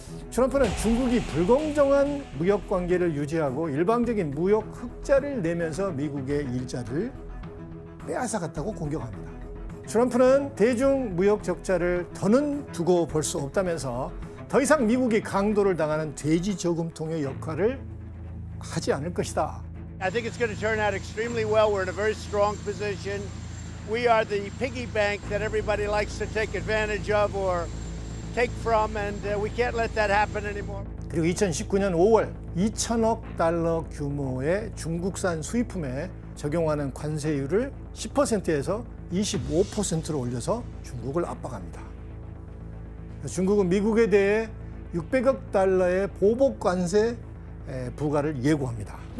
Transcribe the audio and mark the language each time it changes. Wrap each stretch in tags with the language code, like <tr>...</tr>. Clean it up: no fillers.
<ko>트럼프는 중국이 불공정한 무역 관계를 유지하고 일방적인 무역 흑자를 내면서 미국의 일자를 빼앗아갔다고 공격합니다. 트럼프는 대중 무역 적자를 더는 두고 볼 수 없다면서 더 이상 미국이 강도를 당하는 돼지 저금통의 역할을 하지 않을 것이다.</ko> <en>I think it's going to turn out extremely well. We're in a very strong position. We are the piggy bank that everybody likes to take advantage of or take from, and we can't let that happen anymore.</en> <ko>그리고 2019년 5월 2천억 달러 규모의 중국산 수입품에 적용하는 관세율을 10%에서 25%로 올려서 중국을 압박합니다. 중국은 미국에 대해 600억 달러의 보복 관세 부과를 예고합니다.</ko>